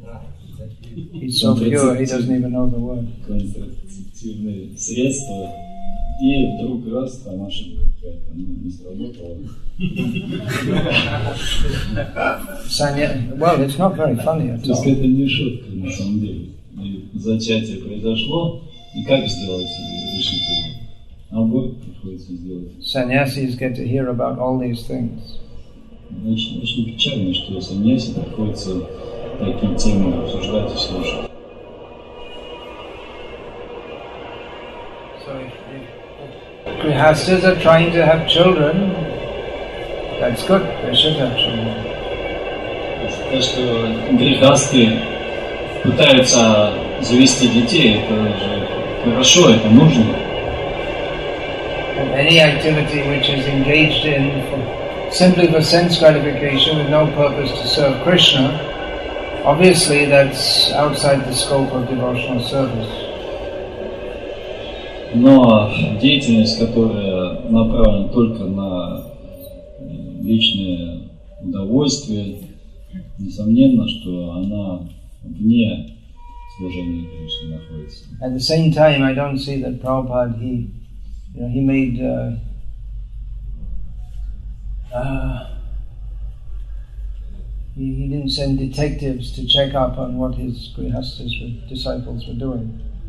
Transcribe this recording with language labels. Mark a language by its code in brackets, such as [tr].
[en] He's so pure, he doesn't even know the word. [ru] Контрацептивные средства. И вдруг раз там ошибка. [en] Well, it's not very funny at all. [ru] Это не шутка, на самом деле. Зачатие произошло, и как сделать решительно? Аборт приходится сделать. [en] Sannyasis get to hear about all these things. [ru] Очень печально, что саньяси приходится такие темы обсуждать и слушать. [en] Grihasthas are trying to have children. That's good. They should have children. [ru] То, что грехасты пытаются завести детей, это же хорошо, это нужно. [en] And any activity which is engaged in simply for sense gratification with no purpose to serve Krishna, obviously that's outside the scope of devotional service. [ru] Но деятельность, которая направлена только на личное удовольствие, несомненно, что она вне служения Кришне находится. [en] At the same time, I don't see that Prabhupada, he made he didn't send detectives to check up on what his grihasthas disciples were doing.